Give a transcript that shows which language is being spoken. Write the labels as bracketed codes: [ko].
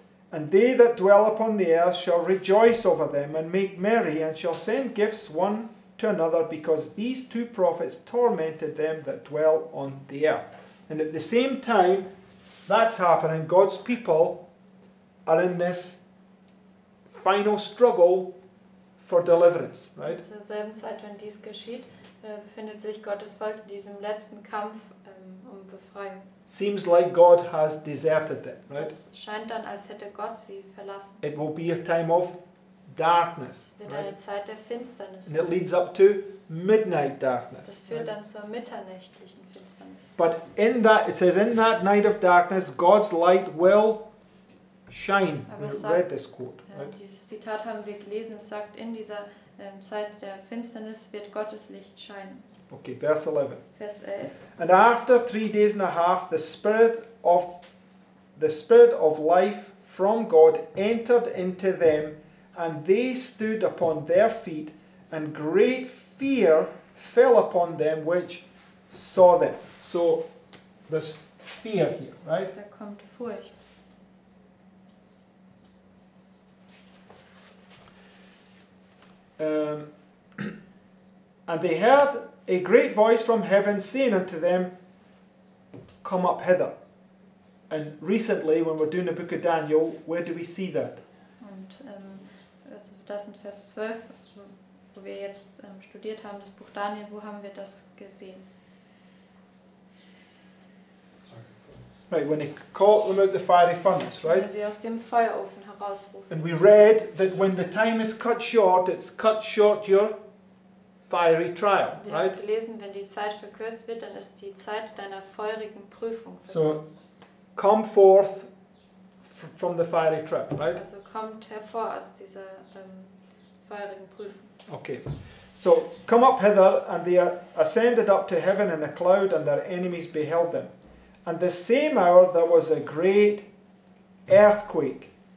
[en] And they that dwell upon the earth shall rejoice over them and make merry, and shall send gifts one to another, because these two prophets tormented them that dwell on the earth. And at the same time that's happening, God's people are in this final struggle for deliverance, right? [de] Zur selben Zeit, wenn dies geschieht, befindet sich Gottes Volk in diesem letzten Kampf um Befreiung. [en] Seems like God has deserted them, right? [de] Es scheint dann, als hätte Gott sie verlassen. [en] It will be a time of darkness. [de] Wird eine Zeit der Finsternis. [en] And it leads up to midnight darkness. [de] Das führt dann zur mitternächtlichen Finsternis. [en] But in that, it says, in that night of darkness, God's light will shine. [de] Aber [en] we [de] sagt, [en] read this quote. Right? [de] Dieses Zitat haben wir gelesen. Es sagt, in dieser Zeit der Finsternis wird Gottes Licht scheinen. [en] Okay, verse 11. [de] Vers 11. [en] And after 3 days and a half, the spirit of life from God entered into them, and they stood upon their feet, and great fear fell upon them which saw them. So there's fear here, right? [de] Da kommt Furcht. [en] And they heard a great voice from heaven saying unto them, come up hither. And recently, when we're doing the book of Daniel, where do we see that? [de] Und also das in Vers 12, wo wir jetzt studiert haben, das Buch Daniel, wo haben wir das gesehen? [en] Right, when he called them out the fiery furnace, right? [de] Wenn sie aus dem Feuerofen herausrufen. [en] And we read that when the time is cut short, it's cut short your fiery trial, [de] wir [en] right? [de] Gelesen, wenn die Zeit verkürzt wird, dann ist die Zeit deiner feurigen Prüfung verkürzt. [en] So, come forth from the fiery trial, right? [de] Also kommt hervor aus dieser feurigen Prüfung. [en] Okay. So, come up hither, and they ascended up to heaven in a cloud, and their enemies beheld them. And the same hour there was a great earthquake,